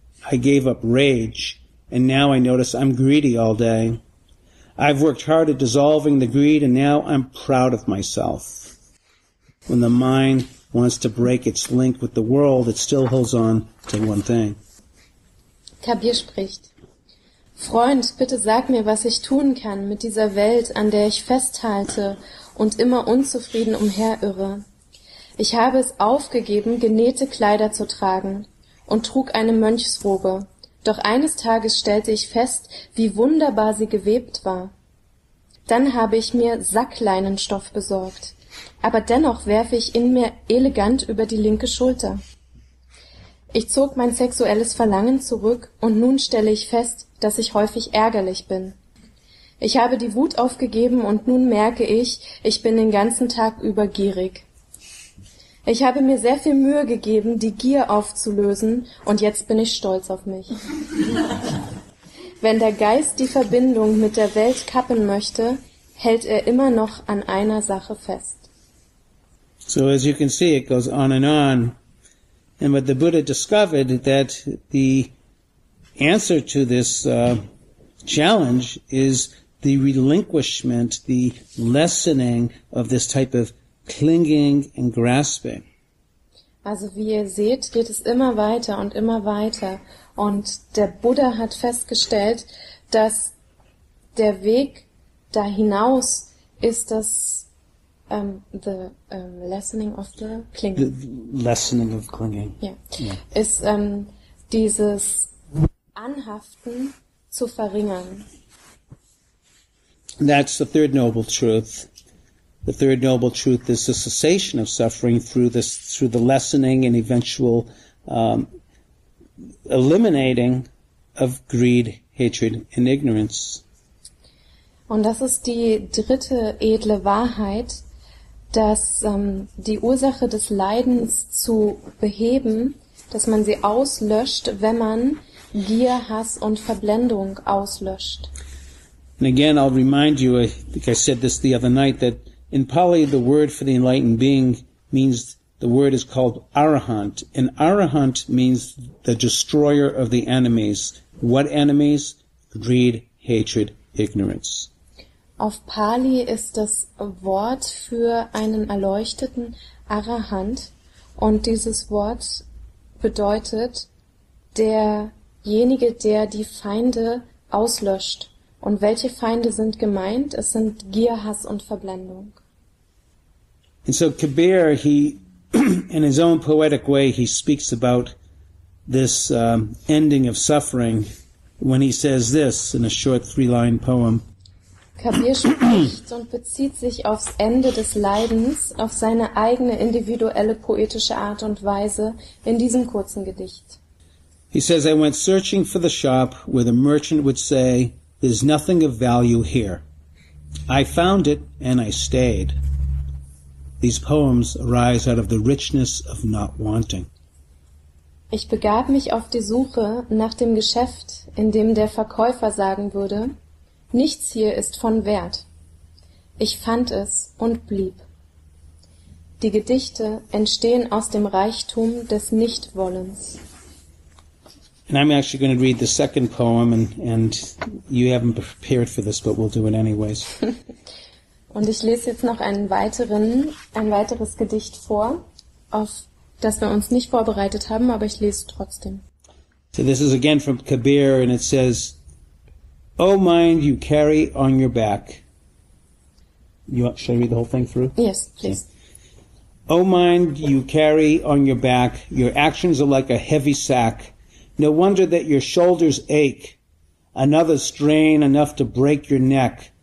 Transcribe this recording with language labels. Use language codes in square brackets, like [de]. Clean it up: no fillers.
[en] I gave up rage, and now I notice I'm greedy all day. I've worked hard at dissolving the greed, and now I'm proud of myself. When the mind wants to break its link with the world, it still holds on to one thing. [de] Kabir spricht. Freund, bitte sag mir, was ich tun kann mit dieser Welt, an der ich festhalte und immer unzufrieden umherirre. Ich habe es aufgegeben, genähte Kleider zu tragen und trug eine Mönchsrobe. Doch eines Tages stellte ich fest, wie wunderbar sie gewebt war. Dann habe ich mir Sackleinenstoff besorgt, aber dennoch werfe ich ihn mir elegant über die linke Schulter. Ich zog mein sexuelles Verlangen zurück und nun stelle ich fest, dass ich häufig ärgerlich bin. Ich habe die Wut aufgegeben und nun merke ich, ich bin den ganzen Tag über gierig. Ich habe mir sehr viel Mühe gegeben, die Gier aufzulösen und jetzt bin ich stolz auf mich. Wenn der Geist die Verbindung mit der Welt kappen möchte, hält er immer noch an einer Sache fest. [en] So as you can see, it goes on and on. And what the Buddha discovered that the answer to this challenge is the relinquishment, the lessening of this type of clinging and grasping. [de] Also wie ihr seht, geht es immer weiter und immer weiter. Und der Buddha hat festgestellt, dass der Weg da hinaus ist das [en] lessening of the clinging. The lessening of clinging. [de] Yeah. Ist dieses Anhaften zu verringern. [en] That's the third noble truth. The third noble truth is the cessation of suffering through the lessening and eventual eliminating of greed, hatred and ignorance. [de] Und das ist die dritte edle Wahrheit, dass die Ursache des Leidens zu beheben, dass man sie auslöscht, wenn man Gier, Hass und Verblendung auslöscht. [en] And again, I'll remind you, I think I said this the other night, that in Pali, the word for the enlightened being means, the word is called Arahant. And Arahant means the destroyer of the enemies. What enemies? Greed, hatred, ignorance. [de] Auf Pali ist das Wort für einen erleuchteten Arahant. Und dieses Wort bedeutet derjenige, der die Feinde auslöscht. Und welche Feinde sind gemeint? Es sind Gier, Hass und Verblendung. [en] And so Kabir, he, in his own poetic way, he speaks about this ending of suffering when he says this in a short three-line poem. [de] Kabir spricht und bezieht sich aufs Ende des Leidens, auf seine eigene individuelle poetische Art und Weise in diesem kurzen Gedicht. [en] He says, I went searching for the shop where the merchant would say, there's nothing of value here. I found it and I stayed. These poems arise out of the richness of not wanting. [de] Ich begab mich auf die Suche nach dem Geschäft, in dem der Verkäufer sagen würde, nichts hier ist von Wert. Ich fand es und blieb. Die Gedichte entstehen aus dem Reichtum des Nichtwollens. [en] And I'm actually going to read the second poem, and you haven't prepared for this, but we'll do it anyways. [de] Und ich lese jetzt noch ein weiteres Gedicht vor, auf das wir uns nicht vorbereitet haben, aber ich lese trotzdem. [en] So this is again from Kabir, and it says, O mind you carry on your back. Should I read the whole thing through? Yes, please. Yeah. O mind you carry on your back, your actions are like a heavy sack. No wonder that your shoulders ache, another strain enough to break your neck.